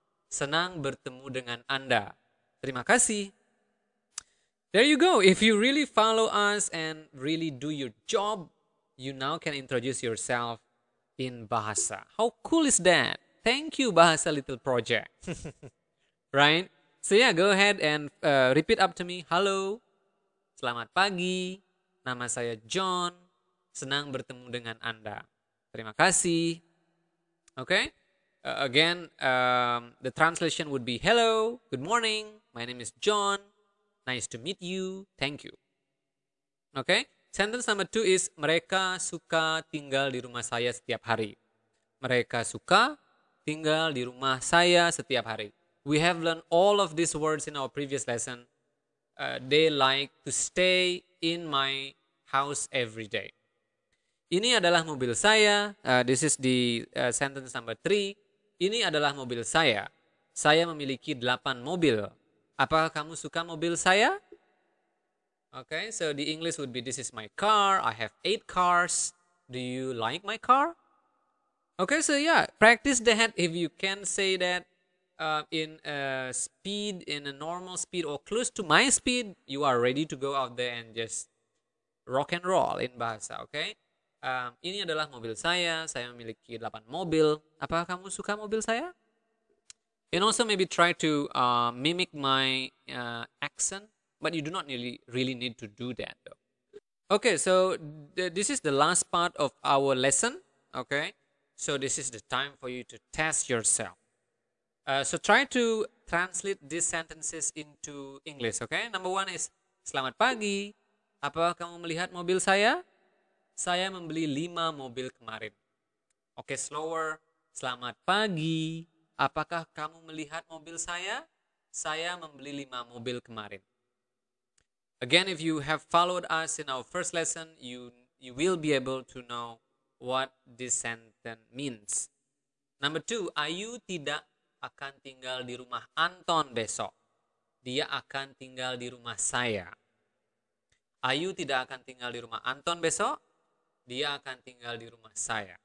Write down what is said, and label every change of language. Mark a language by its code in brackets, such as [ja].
[id] Senang bertemu dengan Anda. Terima kasih. [en] There you go. If you really follow us and really do your job, you now can introduce yourself in Bahasa. How cool is that? Thank you, Bahasa Little Project. Right? So yeah, go ahead and repeat up to me. [id] Halo, selamat pagi, nama saya John, senang bertemu dengan Anda. Terima kasih. [en] Okay, again, the translation would be, hello, good morning, my name is John, nice to meet you, thank you. Okay, sentence number two is, [id] mereka suka tinggal di rumah saya setiap hari. Mereka suka tinggal di rumah saya setiap hari. [en] We have learned all of these words in our previous lesson. They like to stay in my house every day. [id] Ini adalah mobil saya. [en] This is the sentence number 3. [id] Ini adalah mobil saya. Saya memiliki 8 mobil. Apakah kamu suka mobil saya? [en] Okay, so the English would be, this is my car. I have 8 cars. Do you like my car? Okay, so yeah, practice that if you can say that. In a speed, in a normal speed, or close to my speed, you are ready to go out there and just rock and roll in Bahasa, okay? [id] Ini adalah mobil saya. Saya memiliki 8 mobil. Apakah kamu suka mobil saya? [en] And also maybe try to mimic my accent, but you do not really need to do that, though. Okay, so this is the last part of our lesson, okay? So this is the time for you to test yourself. So try to translate these sentences into English, okay? Number one is, [id] selamat pagi, apakah kamu melihat mobil saya? Saya membeli 5 mobil kemarin. Oke, [en] slower. [id] Selamat pagi. Apakah kamu melihat mobil saya? Saya membeli 5 mobil kemarin. [en] Again, if you have followed us in our first lesson, you will be able to know what this sentence means. Number 2, [id] Ayu tidak akan tinggal di rumah Anton besok. Dia akan tinggal di rumah saya. Ayu tidak akan tinggal di rumah Anton besok. Dia akan tinggal di rumah saya.